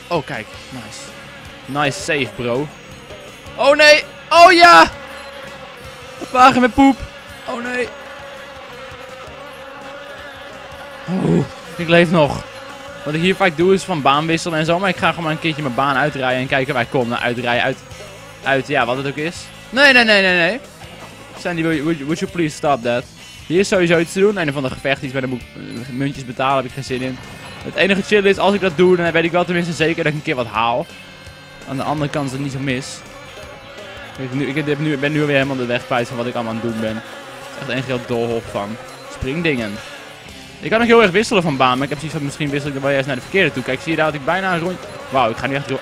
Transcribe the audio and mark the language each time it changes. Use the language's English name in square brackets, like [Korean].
[Dutch] Oh, kijk. Nice. [English] Nice save, bro. [Dutch] Oh, nee. Oh, ja. De wagen met poep. Oh, nee. Oeh, ik leef nog. Wat ik hier vaak doe is van baan wisselen en zo. Maar ik ga gewoon maar een keertje mijn baan uitrijden en kijken waar ik kom. Nou, uitrijden uit, ja, wat het ook is. Nee. [English] Sandy, would you please stop that? [Dutch] Hier is sowieso iets te doen. Einde van de gevecht, iets met een boek, muntjes betalen, heb ik geen zin in. Het enige chill is, als ik dat doe, dan weet ik wel tenminste zeker dat ik een keer wat haal. Aan de andere kant is het niet zo mis. Ik ben nu weer helemaal de weg kwijt van wat ik allemaal aan het doen ben. Het is echt een heel doolhof van springdingen. Ik kan ook heel erg wisselen van baan, maar ik heb zoiets van misschien wissel ik er wel eerst naar de verkeerde toe. Kijk, zie je daar dat ik bijna een rondje... Wauw, ik ga nu echt...